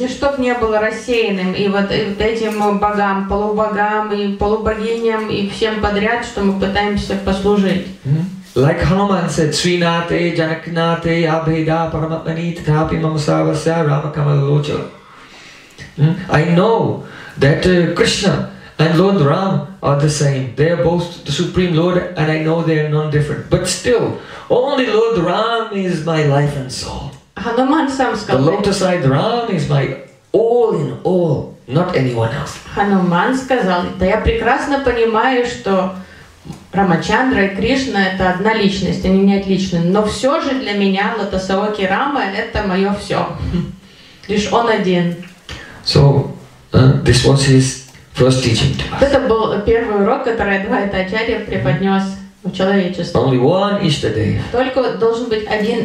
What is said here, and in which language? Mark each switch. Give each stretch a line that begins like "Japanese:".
Russian: Ничтоб не было рассеянным и вот этим богам, полубогиням и всем подряд, что мы пытаемся послужить.
English: Like Hanuman said,
Sanskrit: Srinate, Janaknate, Abheda, Paramatmanit, Thapi, Mamasavasya, Ramakamala Lochala.
English: I know that Krishna and Lord Ram are the same. They are both the Supreme Lord, and I know they are none different. But still, only Lord Ram is my life and soul.
Russian: Hanuman сам сказал.
English: The lotus-eyed Ram is my all in all, not anyone else.
Russian: Hanuman сказал, да я прекрасно понимаю, что Рамачандра и Кришна это одна личность, они не отличны. Но все же для меня лотосовый Рама это мое все. Лишь он один.
English: So this was his first teaching to us.
Russian: Это был первый урок, который Адвайта Ачарья преподнес.
English: Only one Ishtadev.
Russian: Только должен быть один